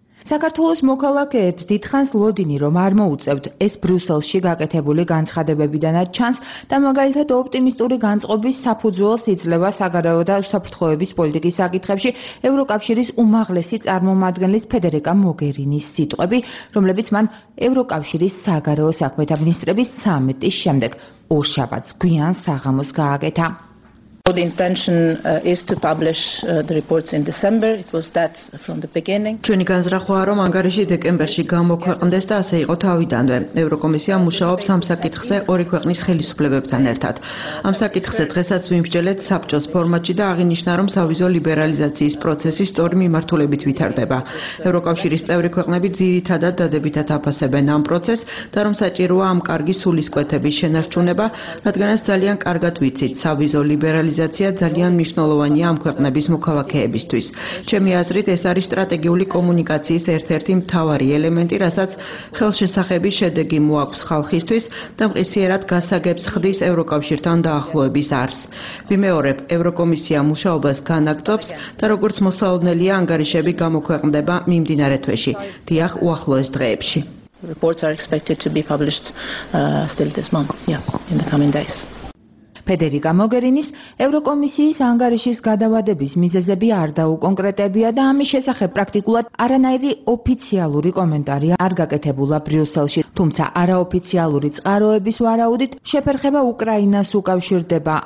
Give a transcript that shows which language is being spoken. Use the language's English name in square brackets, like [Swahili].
[Georgian] საქართველოს მოქალაქეებს დიდხანს ლოდინი, რომ არ მოუწევთ ეს ბრიუსელში გაკეთებული განცხადებებიდანაც ჩანს და მაგალითად ოპტიმისტური განწყობის საფუძველს იძლევა საგარეო და უსაფრთხოების პოლიტიკის საკითხებში ევროკავშირის უმაღლესი წარმომადგენლის ფედერიკა მოგერინის სიტყვები, რომლებიც მან ევროკავშირის საგარეო საქმეთა მინისტრების სამიტის შემდეგ ორშაბათს გვიან საღამოს გააკეთა. [English] The intention is to publish the reports in December. It was that from the beginning. [Georgian] ჩვენი განზრახვა არის, რომ ანგარიში დეკემბერში გამოქვეყნდეს და ასე იყო თავიდანვე. ევროკომისია მუშაობს ამ საკითხზე ორი ქვეყნის ხელისუფლებებთან ერთად. ამ საკითხზე დღესაც მიმსჯელეთ საბჭოს ფორმატში და აღინიშნა, რომ სავიზო ლიბერალიზაციის პროცესი სწორი მიმართულებით ვითარდება. ევროკავშირის წევრი ქვეყნები ძირითადად დადებითად აფასებენ ამ პროცესს და რომ საჭიროა ამ კარგი სულისკვეთების შენარჩუნება, რადგანაც ძალიან კარგად ვიცით, სავიზო ლიბერალიზაცია ძალიან მნიშვნელოვანია ამ ქვეყნების მოქალაქეებისთვის. ჩემი აზრით, ეს არის სტრატეგიული კომუნიკაციის ერთ-ერთი მთავარი ელემენტი, რასაც ხელშესახების შედეგი მოაქვს ხალხისთვის და მყისიერად გასაგებს ხდის ევროკავშირთან დაახლოების არს. ვიმეორებ, ევროკომისია მუშაობას განაგრძობს და როგორც მოსალოდნელია, ანგარიშები გამოქვეყნდება მიმდინარე თვეში, დიახ, უახლოეს დღეებში. [English] Reports are expected to be published still this month. Yeah, in the coming days. [Georgian] ფედერიკა მოგერინის ევროკომისიის ანგარიშის გადავადების მიზეზები არ დაუკონკრეტებია და ამის შესახებ პრაქტიკულად არანაირი ოფიციალური კომენტარი არ გაკეთებულა ბრიუსელში. თუმცა არაოფიციალური წყაროების ვარაუდით შეფერხება უკრაინას უკავშირდება.